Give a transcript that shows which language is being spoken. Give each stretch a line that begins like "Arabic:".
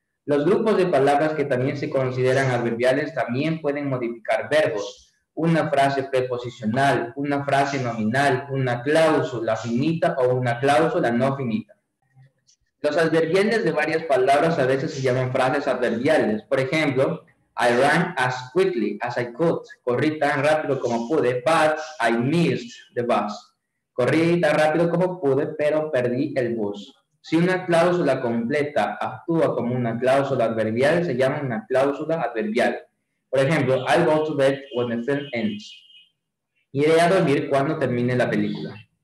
Spanish: Los grupos de palabras que también se consideran adverbiales también pueden modificar verbos. Una frase preposicional, una frase nominal, una cláusula finita o una cláusula no finita. Los adverbiales de varias palabras a veces se llaman frases adverbiales. Por ejemplo,
English: I ran as quickly as I could.
Spanish: Corrí tan rápido como pude,
English: but I missed the bus.
Spanish: Corrí tan rápido como pude, pero perdí el bus. Si una cláusula completa actúa como una cláusula adverbial, se llama una cláusula adverbial. Por ejemplo,
English: I'll go to bed when the film ends.
Spanish: Iré a dormir cuando termine la película.